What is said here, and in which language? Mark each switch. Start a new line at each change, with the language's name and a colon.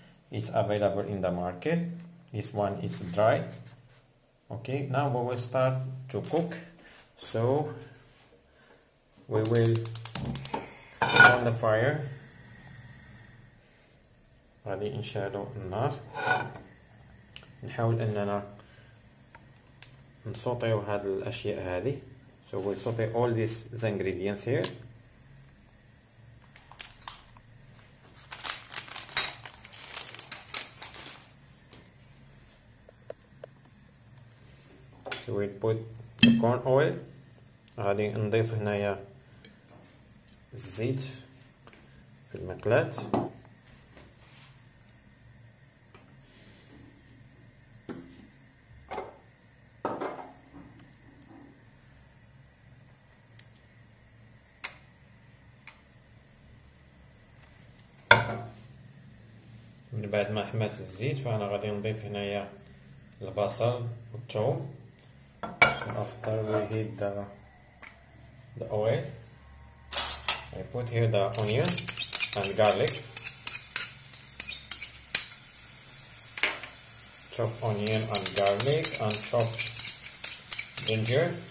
English: It's available in the market. This one is dry. Okay, now we will start to cook. So we will put on the fire.
Arabic: غادي نشعلو النار، نحاول اننا نسوطيو هاد الاشياء هذه.
English: So we'll saute all these ingredients here. So we'll put the corn oil.
Arabic: غادي نضيف هنايا الزيت في المقلاة. بعد ما حمات الزيت فانا غادي نضيف هنايا البصل والثوم.
English: So after we heat the oil, I put here the onion and garlic. Chop onion and garlic and chop ginger.